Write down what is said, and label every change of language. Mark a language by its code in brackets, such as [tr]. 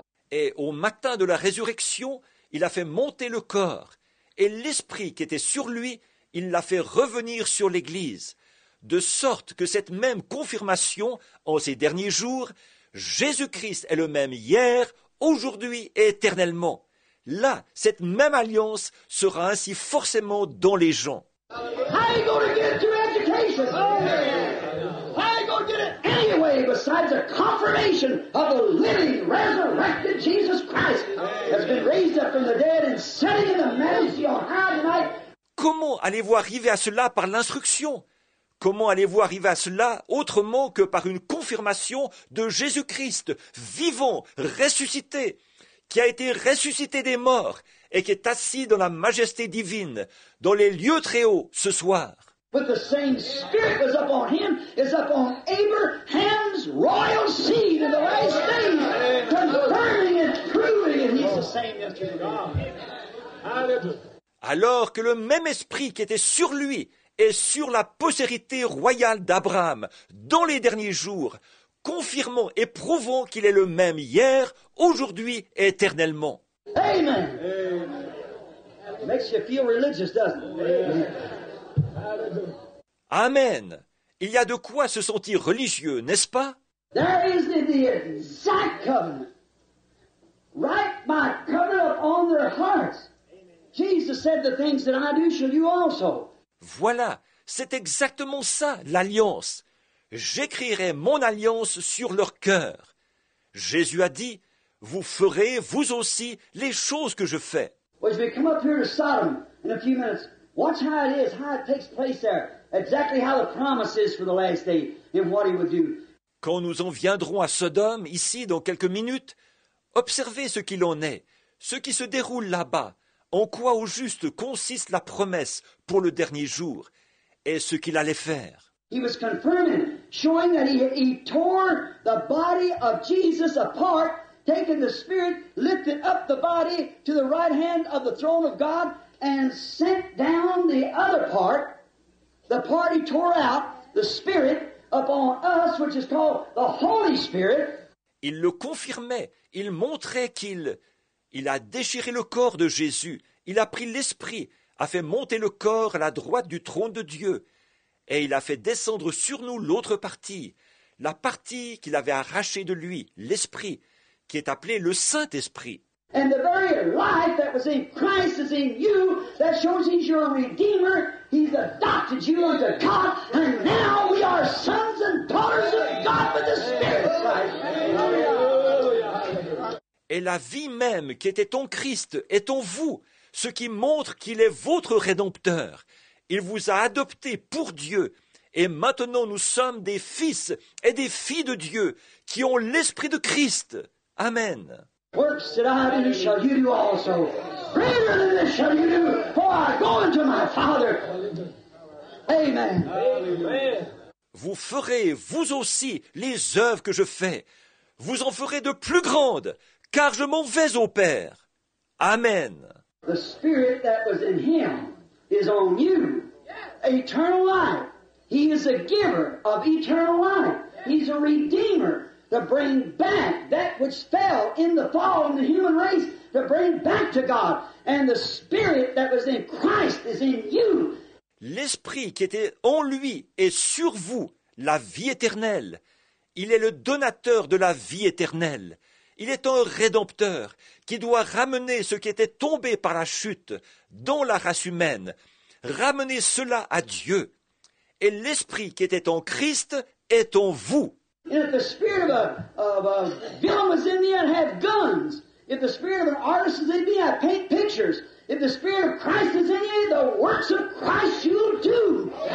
[fr] Et au matin de la résurrection, il a fait monter le corps, et l'Esprit qui était sur lui, il l'a fait revenir sur l'Église, de sorte que cette même confirmation, en ces derniers jours, Jésus-Christ est le même hier, aujourd'hui et éternellement. Là, cette même alliance sera ainsi forcément dans les gens. [en] How are you going to get it through education? How are you going to get it anyway besides a confirmation of the living, resurrected Jesus Christ that's been raised up from the dead and sitting in the majesty on high tonight? [fr] Comment allez-vous arriver à cela par l'instruction? Comment allez-vous arriver à cela autrement que par une confirmation de Jésus-Christ, vivant, ressuscité, qui a été ressuscité des morts et qui est assis dans la majesté divine, dans les lieux très hauts, ce soir? [en] But the same spirit was upon him, is upon Abraham's royal seed in the last days, confirming and proving that he's the same as God. [fr] Alors que le même esprit qui était sur lui et sur la postérité royale d'Abraham dans les derniers jours, confirmant et prouvant qu'il est le même hier, aujourd'hui et éternellement. [en] Amen. Amen. It makes you feel religious, doesn't it? Amen. [fr] Il y a de quoi se sentir religieux, n'est-ce pas? [en] That is the exact covenant. Write my covenant upon their hearts. Jesus said the things that I do shall you also. [fr] Voilà, c'est exactement ça, l'alliance. J'écrirai mon alliance sur leur cœur. Jésus a dit, vous ferez vous aussi les choses que je fais. [en] Well, as we come up here to Sodom in a few minutes, watch how it is, how it takes place there. Exactly how the promise is for the last day and what he would do. [fr] Quand nous en viendrons à Sodome, ici, dans quelques minutes, observez ce qu'il en est, ce qui se déroule là-bas. En quoi au juste consiste la promesse pour le dernier jour et ce qu'il allait faire? [en] He was confirming, showing that he tore the body of Jesus apart, taking the Spirit, lifted up the body to the right hand of the throne of God, and sent down the other part, the part he tore out, the Spirit, upon us, which is called the Holy Spirit. [fr] Il le confirmait, il montrait qu'il a déchiré le corps de Jésus, il a pris l'Esprit, a fait monter le corps à la droite du trône de Dieu, et il a fait descendre sur nous l'autre partie, la partie qu'il avait arrachée de lui, l'Esprit, qui est appelé le Saint-Esprit. [en] And the very life that was in Christ is in you, that shows he's your Redeemer, he's adopted you unto God, and now we are sons and daughters of God with the Spirit of Christ. [fr] Et la vie même qui était en Christ est en vous, ce qui montre qu'il est votre Rédempteur. Il vous a adopté pour Dieu, et maintenant nous sommes des fils et des filles de Dieu qui ont l'Esprit de Christ. [en] Amen. Works that I do shall you do also. Greater than this shall you do, for I go unto my Father. Amen. [fr] Vous ferez, vous aussi, les œuvres que je fais. Vous en ferez de plus grandes, car je m'en vais au Père. [en] Amen. The Spirit that was in him is on you. Eternal life. He is a giver of eternal life. He's a redeemer. To bring back that which fell in the fall in the human race, to bring back to God. And the Spirit that was in Christ is in you. [fr] L'Esprit qui était en lui est sur vous, la vie éternelle. Il est le donateur de la vie éternelle. Il est un Rédempteur qui doit ramener ce qui était tombé par la chute dans la race humaine, ramener cela à Dieu. Et l'Esprit qui était en Christ est en vous. [en] And if the spirit of a villain was in me, I'd have guns. If the spirit of an artist is in me, I'd paint pictures. If the spirit of Christ is in you, the works of Christ you'll do.